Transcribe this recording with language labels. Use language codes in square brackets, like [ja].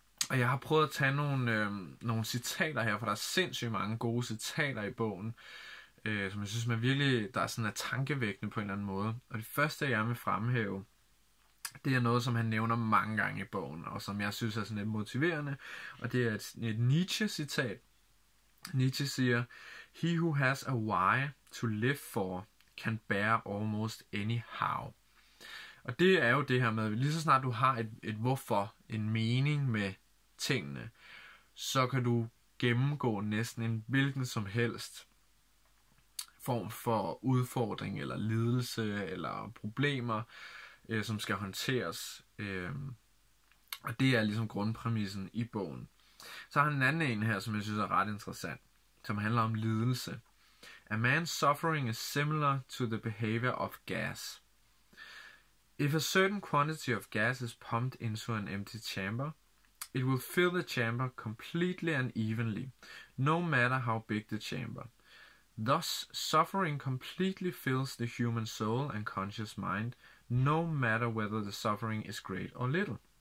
[da] Og jeg har prøvet at tage nogle citater her, for der er sindssygt mange gode citater i bogen, som jeg synes, man virkelig, der er sådan er tankevækkende på en eller anden måde. Og det første, jeg vil fremhæve, det er noget, som han nævner mange gange i bogen, og som jeg synes er sådan lidt motiverende, og det er et Nietzsche-citat. Nietzsche siger, [en] "He who has a why to live for can bear almost any how." [da] Og det er jo det her med, lige så snart du har et hvorfor, en mening med tingene, så kan du gennemgå næsten en hvilken som helst form for udfordring, eller lidelse, eller problemer, som skal håndteres. Og det er ligesom grundpræmissen i bogen. Så har han en anden en her, som jeg synes er ret interessant, som handler om lidelse. [en] "A man's suffering is similar to the behavior of gas. If a certain quantity of gas is pumped into an empty chamber, it will fill the chamber completely and evenly, no matter how big the chamber. Thus, suffering completely fills the human soul and conscious mind, no matter whether the suffering is great or little.